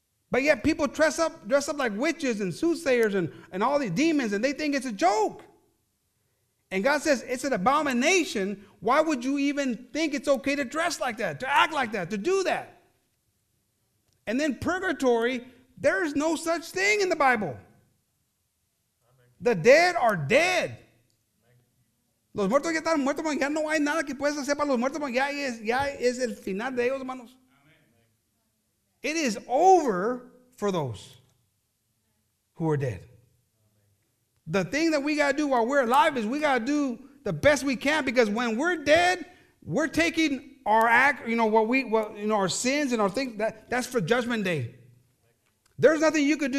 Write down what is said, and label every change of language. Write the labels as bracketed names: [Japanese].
[English] But yet people dress up like witches and soothsayers and all these demons, and they think it's a joke. And God says, it's an abomination. Why would you even think it's okay to dress like that, to act like that, to do that? And then purgatory, there is no such thing in the Bible. The dead are dead. [Spanish] Los muertos ya están muertos, ya no hay nada que puedes hacer para los muertos, ya es el final de ellos, hermanos. [English] It is over for those who are dead. The thing that we got to do while we're alive is we got to do the best we can, because when we're dead, we're taking our act, you know, our sins and our things, that's for judgment day. There's nothing you could do.